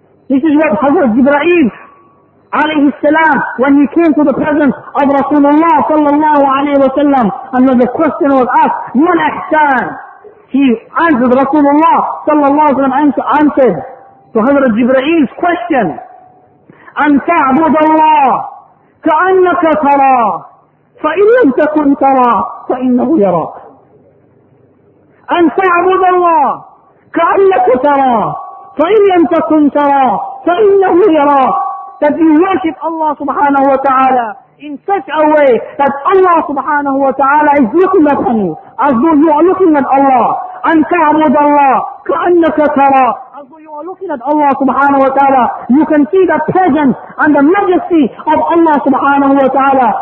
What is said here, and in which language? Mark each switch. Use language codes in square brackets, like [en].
[en] This is what Hazrat Jibreel alayhi salam, when he came to the presence of Rasulullah sallallahu alayhi wa sallam, and when the question was asked, man ihsan? He answered, Rasulullah sallallahu alayhi wa sallam answered to Hazrat Jibreel's question, [ar] an ta'bud Allah كأنك ترى فإن لم تكن ترى فإنه يراك. أن تعبد الله كأنك ترى فإن لم تكن ترى فإنه يراك. [en] That you worship Allah subhanahu wa ta'ala in such a way that Allah subhanahu wa ta'ala is looking at you as though you are looking at Allah. [ar] أن تعبد الله كأنك ترى. [en] Looking at Allah subhanahu wa ta'ala, you can see the presence and the majesty of Allah subhanahu wa ta'ala.